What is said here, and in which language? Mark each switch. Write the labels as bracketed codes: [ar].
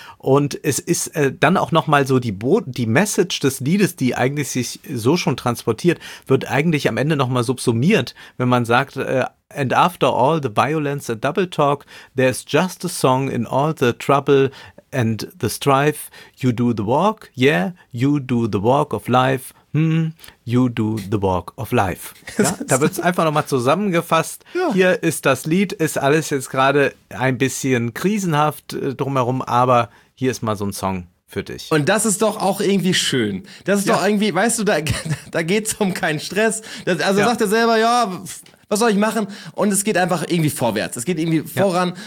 [de] Und es ist dann auch nochmal so, die Message des Liedes, die eigentlich sich so schon transportiert, wird eigentlich am Ende nochmal subsumiert, wenn man sagt, [en] and after all the violence and double talk, there's just a song in all the trouble and the strife. You do the walk, yeah, you do the walk of life. Hm, you do the walk of life. [de] Ja? Da wird es einfach nochmal zusammengefasst. Ja. Hier ist das Lied, ist alles jetzt gerade ein bisschen krisenhaft drumherum, aber hier ist mal so ein Song für dich. Und das ist doch auch irgendwie schön. Das ist doch irgendwie, weißt du, da geht es um keinen Stress. Das, also sagt er selber, ja, was soll ich machen? Und es geht einfach irgendwie vorwärts. Es geht irgendwie voran.